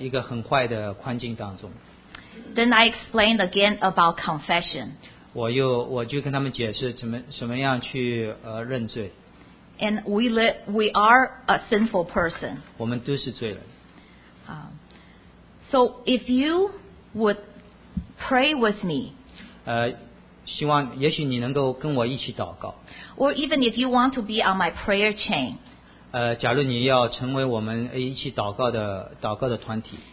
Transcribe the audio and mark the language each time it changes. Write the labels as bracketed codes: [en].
[zh] 他们会问，为什么我还是在一个很坏的环境当中。 [en] Then I explained again about confession. [zh] 我就跟他们解释怎么样去认罪。 [en] And we are a sinful person. [zh] 我们都是罪人。 [en] So if you would pray with me. [zh] 希望也许你能够跟我一起祷告。 [en] Or even if you want to be on my prayer chain. [zh] 假如你要成为我们一起祷告的团体。